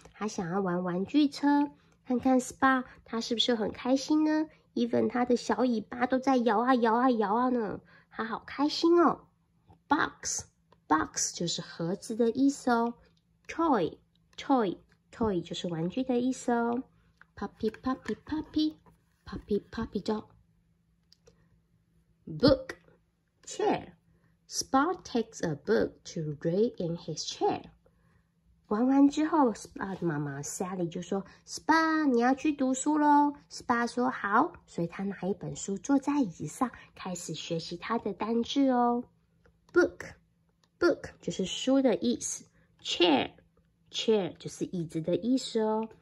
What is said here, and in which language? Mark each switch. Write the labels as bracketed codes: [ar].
[zh] 他想要玩玩具车，看看 Spot 他是不是很开心呢？ Even 他的小尾巴都在摇啊摇啊摇啊呢，他好开心哦。 Box Box 就是盒子的意思哦。 Toy 就是玩具的意思哦。 [en] Puppy puppy puppy Puppy puppy dog Book Chair Spot takes a book to read in his chair. [zh] 玩完之后 Spot 妈妈 Sally 就说 Spot 你要去读书咯。 Spot 说好，所以他拿一本书坐在椅子上开始学习他的单字哦。 Book Book 就是书的意思。Chair 就是椅子的意思哦。